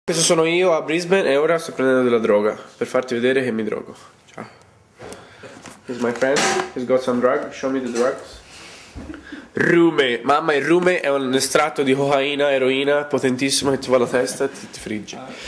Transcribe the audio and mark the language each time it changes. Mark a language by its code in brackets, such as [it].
[it] Questo sono io a Brisbane e ora sto prendendo della droga per farti vedere che mi drogo. Ciao. [en] This is my friend, he's got some drugs, show me the drugs. [it] Rume, mamma, il rume è un estratto di cocaina, eroina, potentissimo, che ti va alla testa e ti frigge.